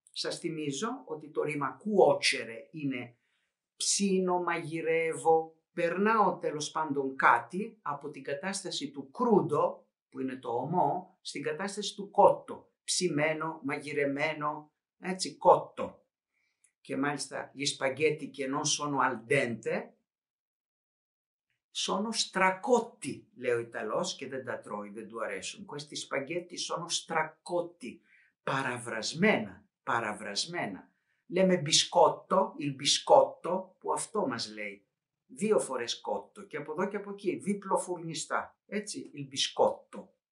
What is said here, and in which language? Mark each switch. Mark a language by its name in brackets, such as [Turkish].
[Greek] Σας θυμίζω ότι το ρήμα cuocere είναι ψήνω, μαγειρεύω, περνάω τέλος πάντων κάτι από την κατάσταση του crudo, που είναι το ομό, στην κατάσταση του cotto, ψημένο, μαγειρεμένο, έτσι, cotto. Και μάλιστα [Italian] gli spaghetti che non sono al dente, sono stracotti, [Greek] λέω Ιταλός, και δεν τα τρώει, δεν του αρέσουν. [Italian] Questi spaghetti sono stracotti, παραβρασμένα, παραβρασμένα. [Greek] Λέμε μπισκότο, il biscotto, που αυτό μας λέει. Δύο φορές κότο, και από εδώ και από εκεί, δίπλο φουρνιστά, έτσι, il biscotto.